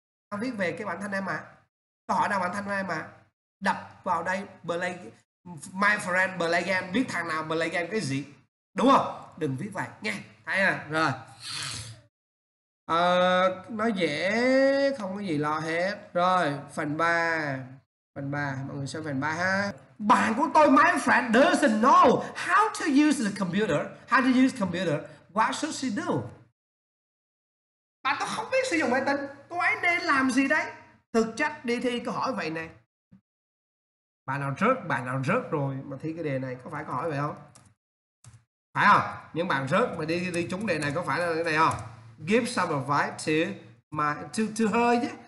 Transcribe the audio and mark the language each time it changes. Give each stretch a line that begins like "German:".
Vietnamese: Em viết về cái bản thân em mà. Câu hỏi nào bản thân em mà. Đập vào đây play,
English: my friend play game,
Vietnamese: biết thằng nào play game cái gì, đúng không? Đừng viết vậy nghe thấy à. Rồi nói dễ không có gì lo hết. Rồi phần 3, mọi người xem phần 3 ha. Bạn của tôi,
English: my friend, doesn't know how to use the computer. How to use computer, what should she do?
Vietnamese: Bạn tôi không biết sử dụng máy tính, cô ấy nên làm gì đấy? Thực chất đi thi câu hỏi vậy này. Bạn nào rớt rồi mà thi cái đề này, có phải câu hỏi vậy không? Phải không? Những bạn rớt mà đi trúng đề này, có phải là cái này không?
English: Give some advice to her
Vietnamese: nhé.